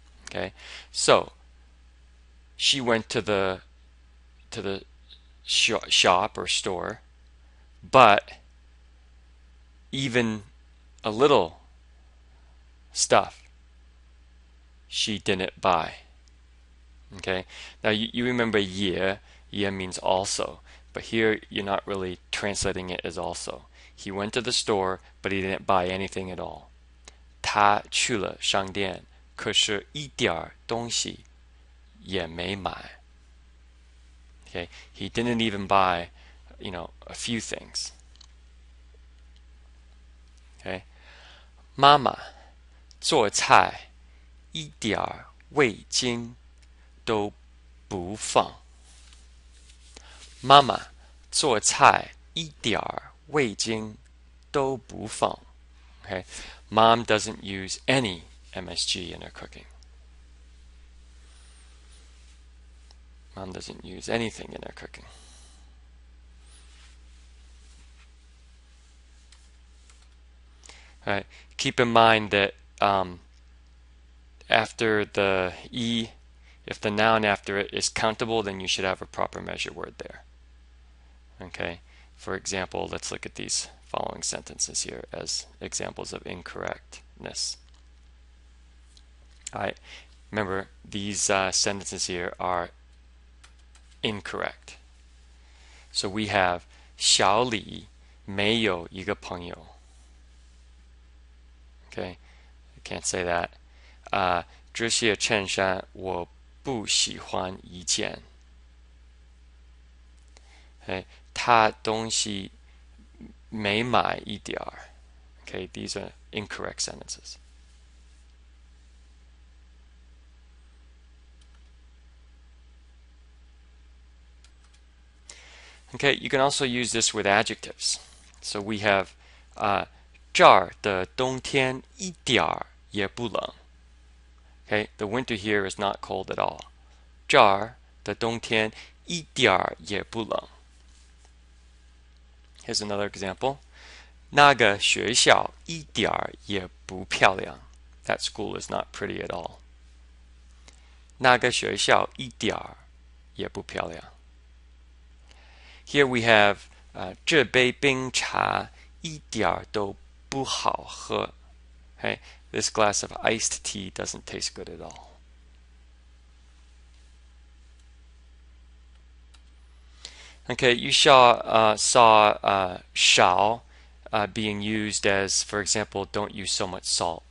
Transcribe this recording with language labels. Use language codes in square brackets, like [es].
[en] Okay, so she went to the shop or store, but even a little stuff she didn't buy. Okay, now you remember ye means also, but here you're not really translating it as also. He went to the store, but he didn't buy anything at all. [zh] 他去了商店,可是一点东西也没买. [en] Okay, he didn't even buy a few things. Okay. [zh] Mama, 做菜, 一点味精都不放. Mama, 做菜, 一点味精都不放. [en] Okay. Mom doesn't use any MSG in her cooking. Mom doesn't use anything in her cooking. All right. Keep in mind that after the E, if the noun after it is countable, then you should have a proper measure word there. Okay. For example, let's look at these following sentences here as examples of incorrectness. All right. Remember, these sentences here are incorrect. So we have [zh] 小李没有一个朋友. [en] Okay, I can't say that. [zh] 这些衬衫我不喜欢一件. Okay, 他东西没买一点. [en] Okay, these are incorrect sentences. Okay, you can also use this with adjectives. So we have [zh] 这儿的冬天一点儿也不冷. [en] Okay, the winter here is not cold at all. [zh] 这儿的冬天一点儿也不冷. [en] Here's another example. [zh] 那个学校一点儿也不漂亮. [en] That school is not pretty at all. [zh] 那个学校一点儿也不漂亮. [en] Here we have [zh] 这杯冰茶一点儿都不好喝. [en] Okay, this glass of iced tea doesn't taste good at all. Okay, you shall being used as, for example, don't use so much salt.